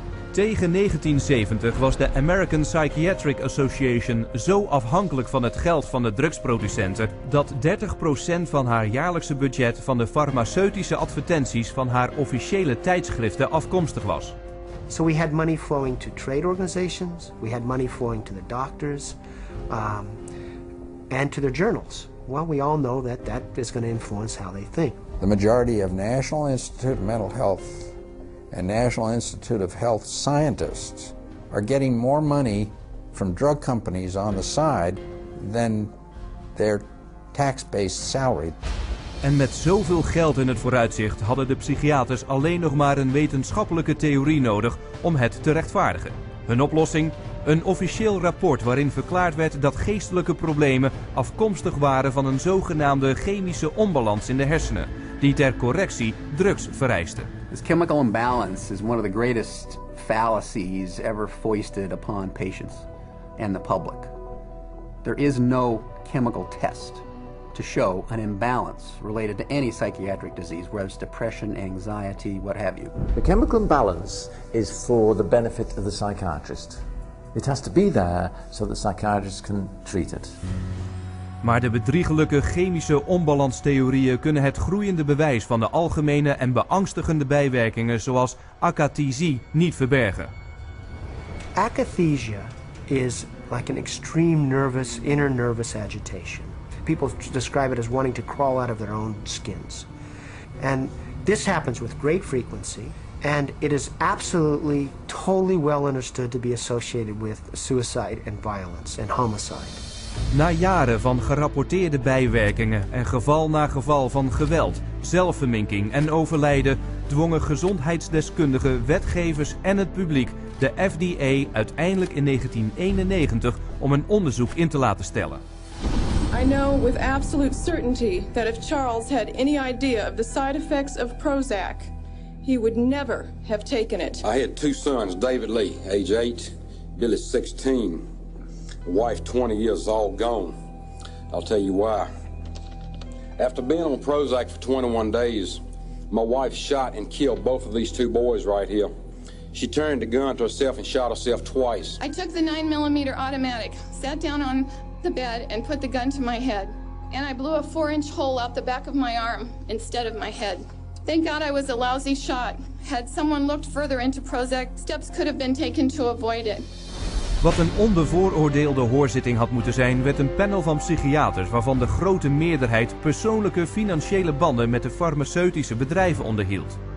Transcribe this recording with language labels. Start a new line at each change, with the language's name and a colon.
Dutch: Tegen 1970 was de American Psychiatric Association zo afhankelijk van het geld van de drugsproducenten dat 30% van haar jaarlijkse budget van de farmaceutische advertenties van haar officiële tijdschriften afkomstig was.
English: So we had money flowing to trade organizations, we had money flowing to the doctors, and to their journals. Well, we all know that that is going to influence how they think. The majority of National Institute of Mental Health and National Institute of Health scientists are getting more money from drug companies on the side than their tax-based salary.
Dutch: En met zoveel geld in het vooruitzicht hadden de psychiaters alleen nog maar een wetenschappelijke theorie nodig om het te rechtvaardigen. Hun oplossing? Een officieel rapport waarin verklaard werd dat geestelijke problemen afkomstig waren van een zogenaamde chemische onbalans in de hersenen, die ter correctie drugs vereiste.
English: This chemical imbalance is one of the greatest fallacies ever foisted upon patients and the public. There is no chemical test to show an imbalance related to any psychiatric disease, whether it's depression, anxiety, what have you. The chemical imbalance is for the benefit of the psychiatrist. It has to be there so that psychiatrists can treat it.
Dutch: Maar de bedriegelijke chemische onbalanstheorieën kunnen het groeiende bewijs van de algemene en beangstigende bijwerkingen zoals akathisie niet verbergen.
English: Akathisia is like an extreme nervous, inner nervous agitation. People describe it as wanting to crawl out of their own skins. And this happens with great frequency. And it is absolutely, totally well understood to be associated with suicide and violence and homicide.
Dutch: Na jaren van gerapporteerde bijwerkingen en geval na geval van geweld, zelfverminking en overlijden, dwongen gezondheidsdeskundigen, wetgevers en het publiek de FDA uiteindelijk in 1991 om een onderzoek in te laten stellen.
English: I know with absolute certainty that if Charles had any idea of the side effects of Prozac, he would never have taken it. I had two sons, David Lee, age 8, Billy 16. Wife 20 years old, gone. I'll tell you why. After being on Prozac for 21 days, my wife shot and killed both of these two boys right here. She turned the gun to herself and shot herself twice. I took the 9mm automatic, sat down on the bed and put the gun to my head. And I blew a 4-inch hole out the back of my arm instead of my head. Thank God I was a lousy shot. Had someone looked further into Prozac, steps could have been taken to avoid it.
Dutch: Wat een onbevooroordeelde hoorzitting had moeten zijn, werd een panel van psychiaters waarvan de grote meerderheid persoonlijke financiële banden met de farmaceutische bedrijven onderhield.